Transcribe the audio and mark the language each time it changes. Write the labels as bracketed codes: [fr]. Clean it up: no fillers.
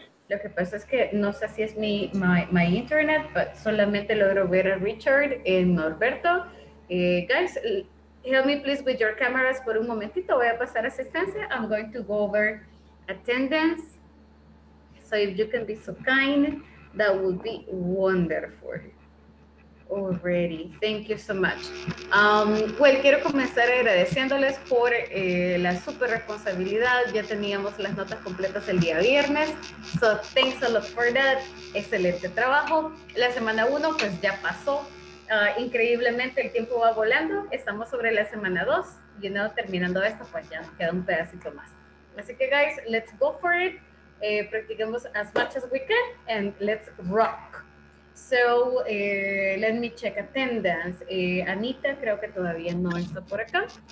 [es] Lo que pasa es que no sé si es my internet, but solamente logro ver a Richard y Norberto. [en] Guys, help me please with your cameras por un momentito. Voy a pasar asistencia. I'm going to go over attendance. So if you can be so kind, that would be wonderful. Already, thank you so much. [es] Well, quiero comenzar agradeciéndoles por la super responsabilidad. Ya teníamos las notas completas el día viernes. So thanks a lot for that. Excelente trabajo. La semana uno, pues ya pasó. Increíblemente el tiempo va volando. Estamos sobre la semana dos. You know, terminando esto, pues ya queda un pedacito más. Así que guys, let's go for it. [en] Practiquemos as much as we can and let's rock. So, let me check attendance. [es] Anita, creo que todavía no está por acá.